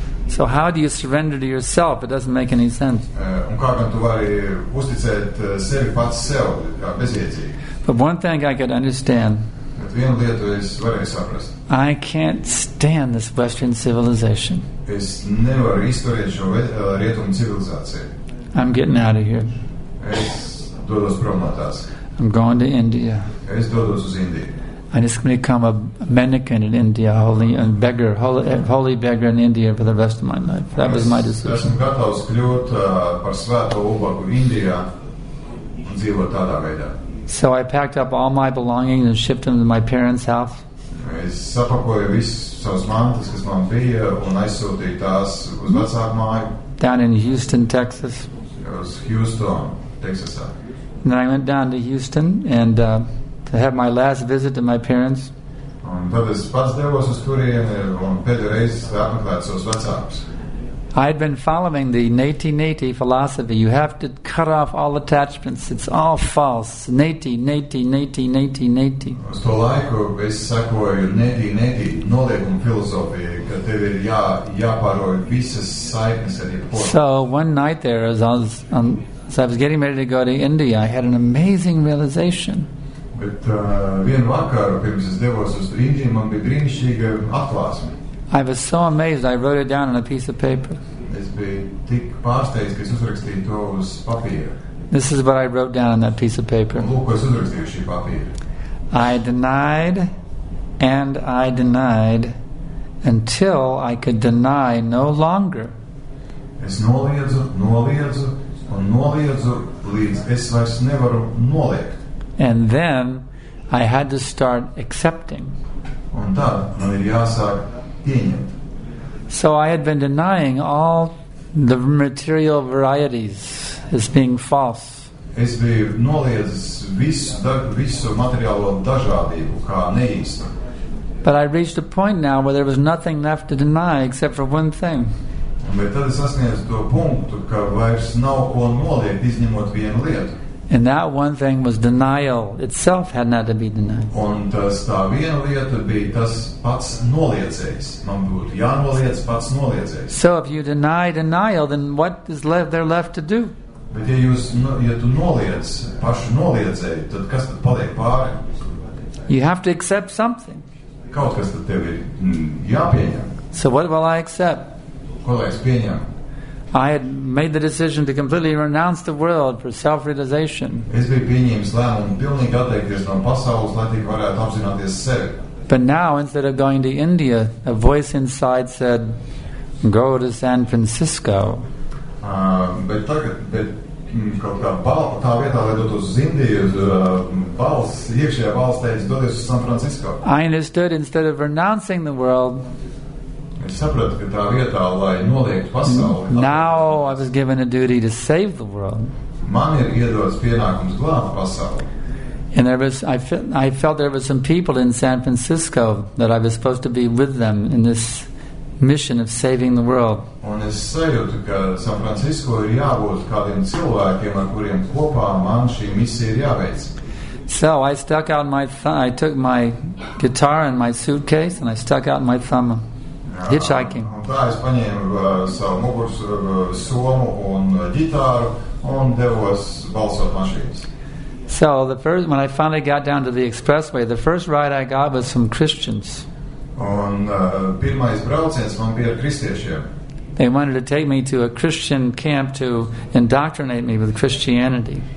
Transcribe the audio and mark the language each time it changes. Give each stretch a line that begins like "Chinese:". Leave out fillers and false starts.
English: So how do you surrender to yourself? It doesn't make any sense.
Latvian: Un kā gan tu vari uzticēt sevi pats sev, kā bezjēdzīgi?
English: But one thing I could understand.
Latvian: Bet vienu lietu es varēju saprast.
English: I can't stand this Western civilization.
Latvian: Es nevaru izturēt šo rietumu civilizāciju.
English: I'm getting out of here.
Latvian: Es dodos prom no tās.
English: I'm going to India.
Latvian: Es dodos uz Indiju.
English: I'm just going to become a mendicant in India, holy beggar in India for the rest of my life. That was my decision.
Latvian: Esmu gatavs kļūt par svēto ubagu Indijā un dzīvot tādā veidā.
English: So I packed up all my belongings and shipped them to my parents' house.
Latvian: Es sapakoju visus savus mantas, kas man bija, un aizsūtīju tās uz vecāku māju.
English: Down in Houston, Texas.
Latvian: Uz Houston, Texasā.
English: And then I went down to Houston and to have my last visit to my parents.
Latvian: Un tad es pats devos uz turieni un pēdējo reizi apmeklēt savus vecākus.
English: I had been following the neti-neti philosophy. You have to cut off all attachments. It's all false. Neti, neti, neti, neti, neti.
Latvian: Uz to laiku es sekoju neti-neti noliekumu filozofiju, ka tev ir jāpāroj visas saiknes arī poru.
English: So one night there, as I was getting ready to go to India, I had an amazing realization.
Latvian: Bet vienu vakaru, pirms es devos uz Indiju, man bija brīnišķīga atklāsme.
English: I was so amazed, I wrote it down on a piece of paper.
Latvian: Es biju tik pārsteigts, ka es uzrakstīju to uz papīra.
English: This is what I wrote down on that piece of paper.
Latvian: Lūk, ko es uzrakstīju šī papīra.
English: I denied and I denied until I could deny no longer.
Latvian: Es noliedzu, noliedzu un noliedzu, līdz es vairs nevaru noliekt.
English: And then I had to start accepting.
Latvian: Un tad man ir jāsāk pieņemt.
English: So I had been denying all the material varieties as being false.
Latvian: Es biju noliedzis visu materiālo dažādību kā neīstu.
English: But I reached a point now where there was nothing left to deny except for one thing.
Latvian: Un bet tad es sasniedzu to punktu, ka vairs nav ko noliegt izņemot vienu lietu.
English: And that one thing was denial itself had not to be denied.
Latvian: Un tas tā viena lieta bija tas pats noliecējs. Man būtu jānoliec pats noliecējs.
English: So if you deny denial, then what is there left to do?
Latvian: Bet ja tu noliec pašu noliecēju, tad kas tad paliek pāri?
English: You have to accept something.
Latvian: Kaut kas tad tev ir jāpieņem.
English: So what will I accept?
Latvian: Ko lai es pieņem?
English: I had made the decision to completely renounce the world for self-realization.
Latvian: Es biju pieņēmis lēmumu pilnīgi atteikties no pasaules, lai tik varētu apzināties sevi.
English: But now, instead of going to India, a voice inside said, go to San Francisco.
Latvian: Bet tagad, kaut kā tā vietā, lai dotu uz Indiju, iekšējā balss teica, doties uz San Francisco.
English: I understood, instead of renouncing the world,
Latvian: es sapratu, ka tā vietā, lai noliekt pasauli.
English: Now I was given a duty to save the world.
Latvian: Man ir iedots pienākums glābt pasauli.
English: And I felt there were some people in San Francisco that I was supposed to be with them in this mission of saving the world.
Latvian: Un es sajūtu, ka San Francisco ir jābūt kādiem cilvēkiem, ar kuriem kopā man šī misija ir jāveic.
English: So I stuck out my I took my guitar and my suitcase and I stuck out my thumb hitchhiking.
Latvian: Tā es paņēmu savu muguras somu un ģitāru un devos balsot mašīnas.
English: So the first when I finally got down to the expressway, the first ride I got was from Christians.
Latvian: Un pirmais brauciens man bija ar kristiešiem.
English: They wanted to take me to a Christian camp to indoctrinate me with Christianity.